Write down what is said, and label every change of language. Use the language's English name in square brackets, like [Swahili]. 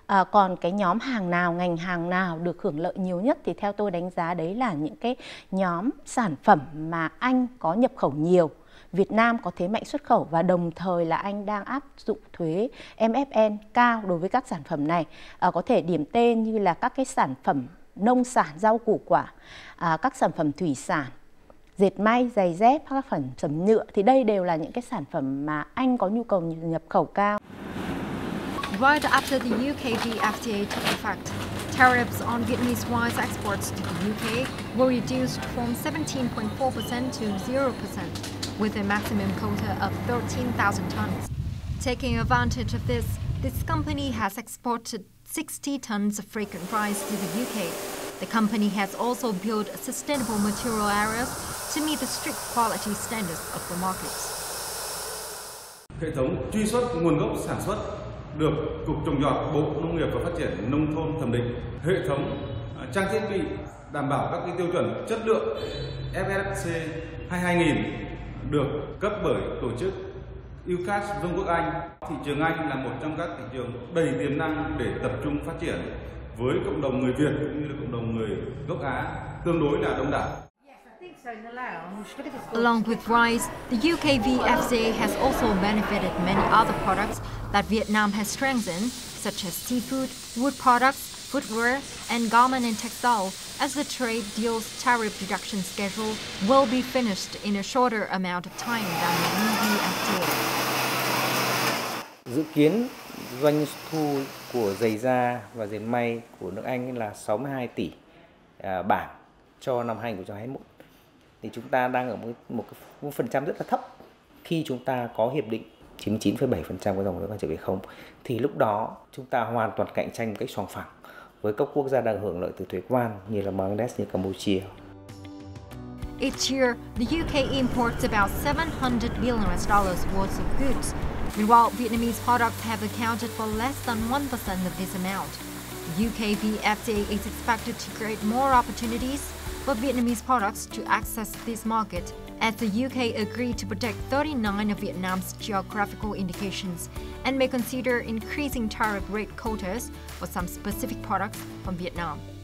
[Vietnamese] Còn cái nhóm hàng nào, ngành hàng nào được hưởng lợi nhiều nhất thì theo tôi đánh giá đấy là những cái nhóm sản phẩm mà Anh có nhập khẩu nhiều, Việt Nam có thế mạnh xuất khẩu và đồng thời là Anh đang áp dụng thuế MFN cao đối với các sản phẩm này. Có thể điểm tên như là các cái sản phẩm nông sản, rau củ quả, các sản phẩm thủy sản, dệt may, giày dép, các sản phẩm nhựa. Thì đây đều là những cái sản phẩm mà Anh có nhu cầu nhập khẩu cao. [English] Right after the UKVFTA took effect, tariffs on Vietnamese wine exports to the UK were reduced from 17.4% to 0%, with a maximum quota of 13,000 tons. Taking advantage of this, this company has exported 60 tons of fragrant rice to the UK. The company has also built sustainable material areas to meet the strict quality standards of the market. [Vietnamese] Hệ thống truy xuất nguồn gốc sản xuất được Cục Trồng trọt, Bộ Nông nghiệp và Phát triển Nông thôn thẩm định. Hệ thống trang thiết bị đảm bảo các tiêu chuẩn chất lượng FSC 22000 được cấp bởi tổ chức UCAS Vương quốc Anh. Thị trường Anh là một trong các thị trường đầy tiềm năng để tập trung phát triển với cộng đồng người Việt cũng như cộng đồng người gốc Á tương đối là đông đảo. [English] Along with rice, the UKVFTA has also benefited many other products that Vietnam has strengthened, such as seafood, wood products, footwear, and garment and textile, as the trade deal's tariff reduction schedule will be finished in a shorter amount of time than the UKVFTA. [Vietnamese] Dự kiến doanh thu của giày da và giày may của nước Anh là 62 tỷ bảng cho năm 2021. Thì chúng ta đang ở một phần trăm rất là thấp. Khi chúng ta có hiệp định 99,7% của dòng nước quan trở về không, thì lúc đó chúng ta hoàn toàn cạnh tranh một cách song phẳng với các quốc gia đang hưởng lợi từ thuế quan như là Bangladesh, như Campuchia. [English] Each year, the UK imports about $700 billion worth of goods. Meanwhile, Vietnamese products have accounted for less than 1% of this amount. The UK VFTA is expected to create more opportunities for Vietnamese products to access this market, as the UK agreed to protect 39 of Vietnam's geographical indications and may consider increasing tariff rate quotas for some specific products from Vietnam.